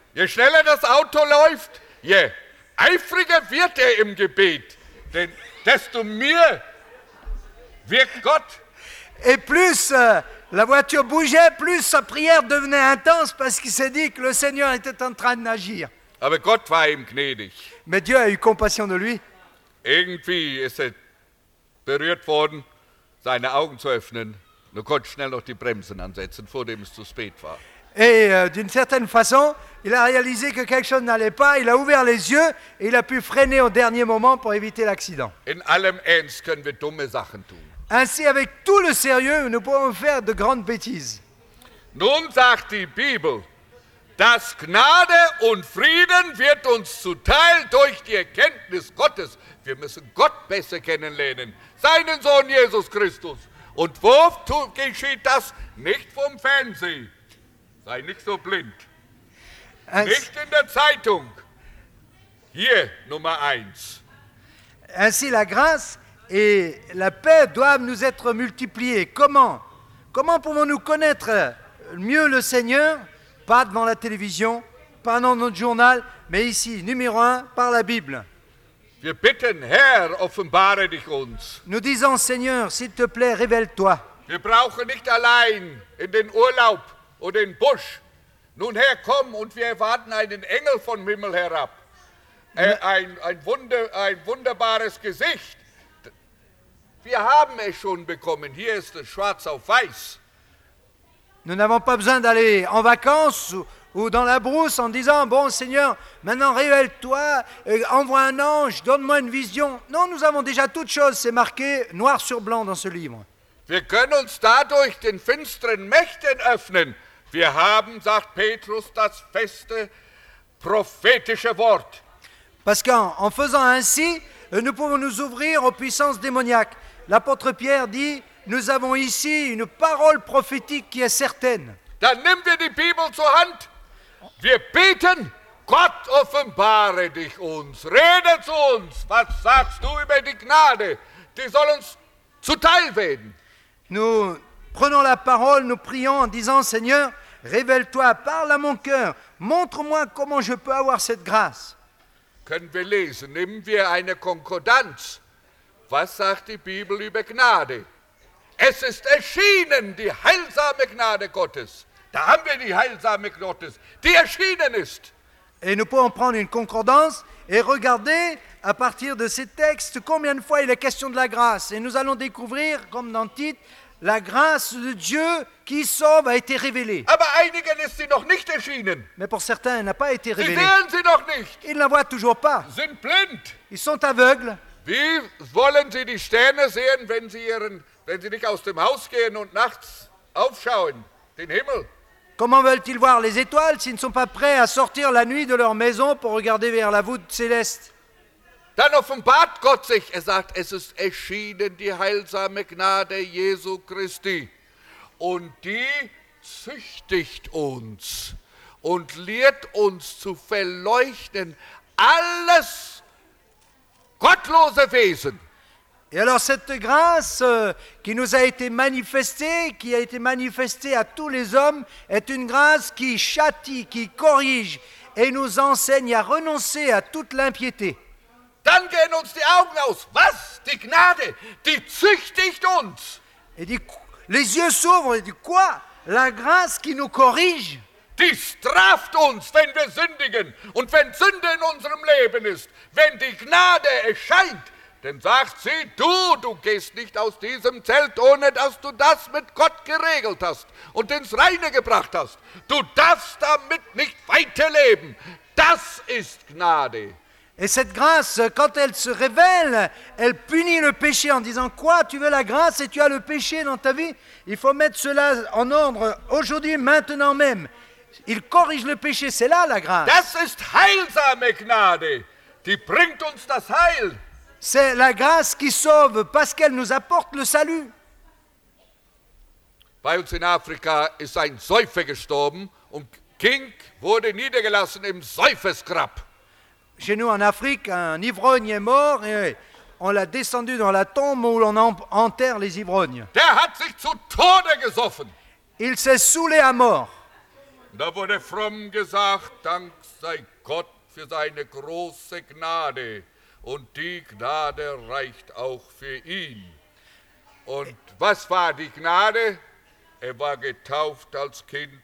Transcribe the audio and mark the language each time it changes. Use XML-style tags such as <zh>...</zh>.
<de>Je schneller das Auto läuft, je eifriger wird im Gebet, denn desto</de> <fr>mieux</fr> <de>wirkt Gott.</de> <fr>Et plus la voiture bougeait, plus sa prière devenait intense parce qu'il s'est dit que le Seigneur était en train d'agir.</fr> <de>Aber Gott war ihm gnädig.</de> <fr>Mais Dieu a eu compassion de lui.</fr> <de>Irgendwie ist er berührt worden, seine Augen zu öffnen. Nur konnte schnell noch die Bremsen ansetzen, vor dem es zu spät war.</de> <fr>Et d'une certaine façon, il a réalisé que quelque chose n'allait pas. Il a ouvert les yeux et il a pu freiner au dernier moment pour éviter l'accident.</fr> <de>In allem Ernst können wir dumme Sachen tun.</de> <fr>Ainsi, avec tout le sérieux, nous pouvons faire de grandes bêtises.</fr> <de>Nun sagt die Bibel, dass Gnade und Frieden wird uns zuteil durch die Erkenntnis Gottes. Wir müssen Gott besser kennenlernen, seinen Sohn Jesus Christus. Und wo geschieht das? Nicht vom Fernsehen. Sei nicht so blind. Nicht in der Zeitung. Hier, Nummer 1.</de> <fr>Ainsi, la grâce et la paix doivent nous être multipliées. Comment? Comment pouvons-nous connaître mieux le Seigneur? Pas devant la télévision, pas dans notre journal, mais ici, numéro 1, par la Bible.</fr> <de>Wir bitten, Herr, offenbare dich uns.</de> <fr>Nous disons, Seigneur, s'il te plaît, révèle-toi.</fr> <de>Wir brauchen nicht allein in den Urlaub oder in den Busch. Nun, Herr, komm, und wir erwarten einen Engel vom Himmel herab. Ein wunderbares Gesicht. Wir haben es schon bekommen. Hier ist es schwarz auf weiß.</de> <fr>Nous n'avons pas besoin d'aller en vacances ou dans la brousse en disant « Bon Seigneur, maintenant révèle-toi, envoie un ange, donne-moi une vision. » Non, nous avons déjà toutes choses, c'est marqué noir sur blanc dans ce livre.</fr> <de>Wir können uns dadurch den finsteren Mächten öffnen. Wir haben, sagt Petrus, das feste prophetische Wort.</de> <fr>Parce qu'en faisant ainsi, nous pouvons nous ouvrir aux puissances démoniaques. L'apôtre Pierre dit « Nous avons ici une parole prophétique qui est certaine.</fr> <de>Dann nehmen wir die Bibel zur Hand. Wir beten, Gott offenbare dich uns. Rede zu uns. Was sagst du über die Gnade? Die soll uns zuteil werden.</de> <fr>Nous prenons la parole, nous prions en disant, Seigneur, révèle-toi, parle à mon cœur. Montre-moi comment je peux avoir cette grâce.</fr> <de>Können wir lesen? Nehmen wir eine Konkordanz. Was sagt die Bibel über Gnade? Es ist erschienen, die heilsame Gnade Gottes. Da haben wir die heilsame Gottes, die erschienen ist.</de> <fr>Et nous pouvons prendre une concordance et regarder à partir de ces textes combien de fois il est question de la grâce. Et nous allons découvrir, comme dans Tite, la grâce de Dieu qui sauve a été révélée.</fr> <de>Aber einigen ist sie noch nicht erschienen.</de> <fr>Mais pour certains, elle n'a pas été révélée.</fr> <de>Sie sehen sie noch nicht.</de> <fr>Ils ne la voient toujours pas.</fr> <de>Sie sind blind.</de> <fr>Ils sont aveugles.</fr> <de>Wie wollen sie die Sterne sehen, wenn sie nicht aus dem Haus gehen und nachts aufschauen, den Himmel?</de> <fr>Comment veulent-ils voir les étoiles s'ils ne sont pas prêts à sortir la nuit de leur maison pour regarder vers la voûte céleste?</fr> <de>Dann offenbart Gott sich. Er sagt, es ist erschienen die heilsame Gnade Jesu Christi. Und die züchtigt uns und lehrt uns zu verleuchten alles gottlose Wesen.</de> <fr>Et alors cette grâce qui nous a été manifestée, qui a été manifestée à tous les hommes, est une grâce qui châtie, qui corrige et nous enseigne à renoncer à toute l'impiété.</fr> <de>Dann gehen uns die Augen aus. Was? Die Gnade, die züchtigt uns.</de> <fr>Et les yeux s'ouvrent et du quoi? La grâce qui nous corrige.</fr> <de>Die straft uns, wenn wir sündigen und wenn Sünde in unserem Leben ist, wenn die Gnade erscheint, dann sagt sie, du gehst nicht aus diesem Zelt, ohne dass du das mit Gott geregelt hast und ins Reine gebracht hast. Du darfst damit nicht weiterleben. Das ist Gnade.</de> <fr>Et cette grâce, quand elle se révèle, elle punit le péché en disant, quoi, tu veux la grâce et tu as le péché dans ta vie? Il faut mettre cela en ordre aujourd'hui, maintenant même. Il corrige le péché, c'est là la grâce.</fr> <de>Das ist heilsame Gnade. Die bringt uns das Heil.</de> <fr>C'est la grâce qui sauve parce qu'elle nous apporte le salut.</fr> <de>Bei uns in Afrika ist ein Säufer gestorben und King wurde niedergelassen im Säufersgrab.</de> <fr>Chez nous en Afrique, un ivrogne est mort et on l'a descendu dans la tombe où l'on enterre les ivrognes.</fr> <de>Der hat sich zu Tode gesoffen.</de> <fr>Il s'est saoulé à mort.</fr> <de>Da wurde fromm gesagt, dank sei Gott für seine große Gnade. Und die Gnade reicht auch für ihn. Und was war die Gnade? Er war getauft als Kind.</de>